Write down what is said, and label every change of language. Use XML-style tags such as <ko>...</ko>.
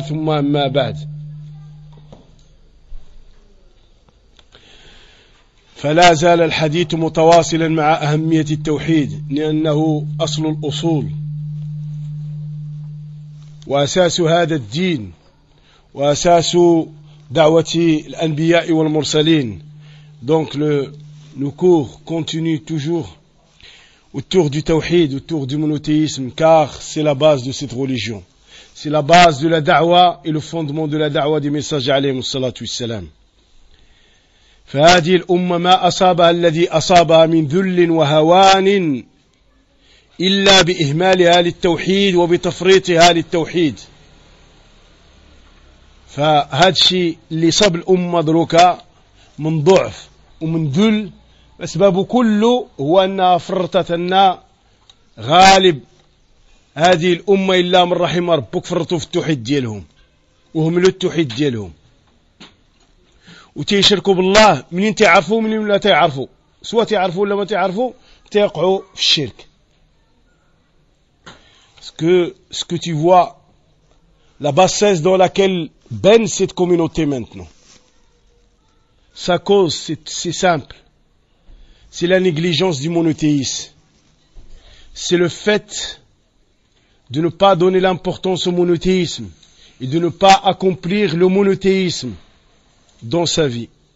<ar>ثم أما بعد، فلا زال الحديث متواصلا مع أهمية التوحيد، لأنه أصل الأصول وأساس هذا الدين وأساس دعوة الأنبياء والمرسلين.</ar> <fr>دونك لو نكور كونتيني توجور autour du توحيد autour du monothéisme، car c'est la base de cette religion، c'est la base de la da'wa et le fondement de la da'wa du messager</fr> <ar>عليه الصلاة والسلام. فهذه الأمة ما أصابها الذي أصابها من ذل وهوان إلا بإهمالها للتوحيد وبتفريطها للتوحيد. فهذا الشيء اللي صاب الأمة دروكا من ضعف ومن ذل، أسبابه كله هو أنها فرطت أن غالب هذه الأمة إلا من رحم ربك فرطوا في التوحيد ديالهم وهملوا التوحيد ديالهم وتيشركوا بالله. منين تعرفوا منين لا تعرفوا، سواء تعرفوا ولا ما تعرفوا، تيقعوا في الشرك.</ar> <fr>Ce que tu vois, la bassesse dans laquelle baigne cette communauté maintenant, sa cause, c'est simple. C'est la négligence du monothéisme. C'est le fait de ne pas donner l'importance au monothéisme et de ne pas accomplir le monothéisme dans sa vie.</fr>